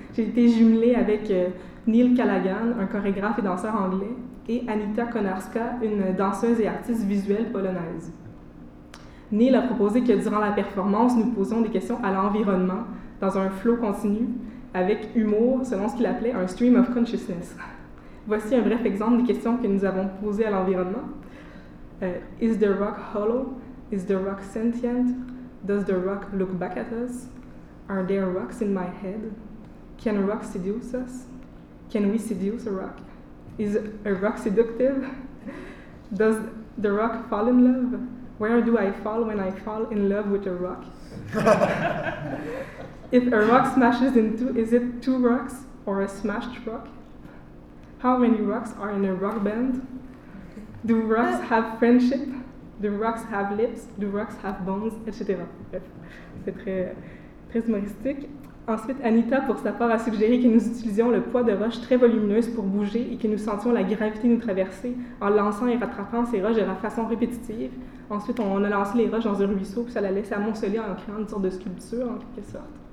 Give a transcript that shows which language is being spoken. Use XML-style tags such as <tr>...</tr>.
<fr>J'ai été jumelée avec Neil Callaghan, un chorégraphe et danseur anglais, et Anita Konarska, une danseuse et artiste visuelle polonaise. Neil a proposé que durant la performance, nous posions des questions à l'environnement dans un flow continu, avec humour, selon ce qu'il appelait un «</fr> <en>stream of consciousness ».</en> <fr>Voici un bref exemple des questions que nous avons posées à l'environnement.</fr> <en>Is the rock hollow? Is the rock sentient? Does the rock look back at us? Are there rocks in my head? Can a rock seduce us? Can we seduce a rock? Is a rock seductive? Does the rock fall in love? Where do I fall when I fall in love with a rock? If a rock smashes in two, is it two rocks or a smashed rock? How many rocks are in a rock band? Do rocks have friendship? Do rocks have lips? Do rocks have bones? Etc.</en> <fr>C'est très, très humoristique. Ensuite, Anita, pour sa part, a suggéré que nous utilisions le poids de roches très volumineuses pour bouger et que nous sentions la gravité nous traverser en lançant et rattrapant ces roches de la façon répétitive. Ensuite, on a lancé les roches dans un ruisseau puis ça la laissait amonceler en créant une sorte de sculpture, en quelque sorte.</fr>